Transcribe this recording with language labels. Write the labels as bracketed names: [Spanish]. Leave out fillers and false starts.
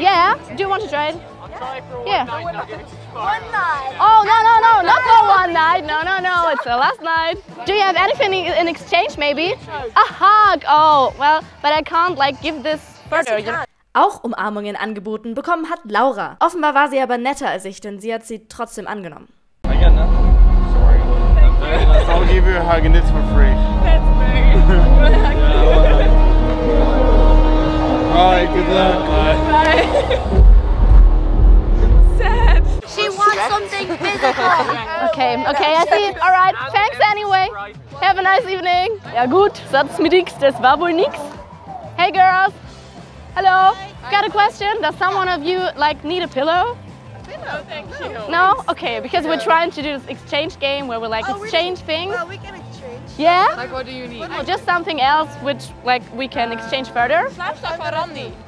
[English] yeah. Do you want to try it? I'll try it for one night. Oh, no, not for one night. No, it's the last night. Do you have anything in exchange, maybe? A hug. Oh, well, but I can't like give this further. [German] Auch Umarmungen angeboten bekommen hat Laura. Offenbar war sie aber netter als ich, denn sie hat sie trotzdem angenommen. [English] I'll give you a hug and it's for free. Alright, good luck. Bye. Sad. She wants something physical. Okay, I see. Alright, thanks anyway. Have a nice evening. [German] Ja gut, sonst mit nix, das war wohl nix. [English] Hey girls. Hello. Got a question. Does someone of you like need a pillow? No, thank you. No? Okay, because we're trying to do this exchange game where we like exchange things. Well, we can exchange. Yeah? Like what do you need? Well, just something else which like we can exchange further. Schlafstoff for Randy.